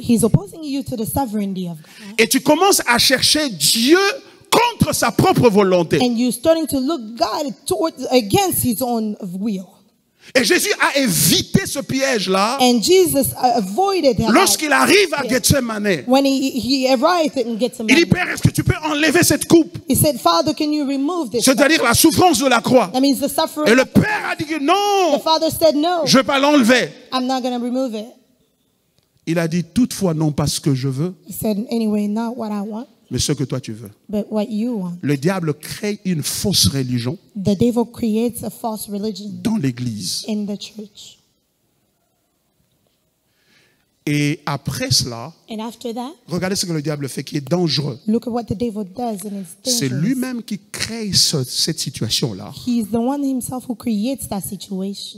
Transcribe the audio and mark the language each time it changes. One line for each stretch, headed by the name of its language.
English: He's opposing you to the sovereignty of God.
French: Et tu commences à chercher Dieu contre sa propre volonté.
English: And you're starting to look God towards, against his own will.
French: Et Jésus a évité ce piège-là.
English: And Jesus avoided that.
French: Lorsqu'il arrive à Gethsemane,
English: when he arrived in Gethsemane,
French: il dit, Père, est-ce que tu peux enlever cette coupe?
English: He said, Father, can you remove this?
French: C'est-à-dire la souffrance de la croix.
English: That means the suffering.
French: Et le Père a dit que non.
English: The Father said no.
French: Je ne vais pas l'enlever.
English: I'm not going to remove it.
French: Il a dit, toutefois, non pas ce que je veux.
English: He said, anyway, not what I want.
French: Mais ce que toi tu veux.
English: But what you want.
French: Le diable crée une fausse religion.
English: The devil creates a false religion.
French: Dans l'église.
English: In the church.
French: Et après cela,
English: and after that,
French: regardez ce que le diable fait qui est dangereux.
English: Look at what the devil does and it's dangerous.
French: C'est lui-même qui crée cette situation-là.
English: He is the one himself who creates that situation.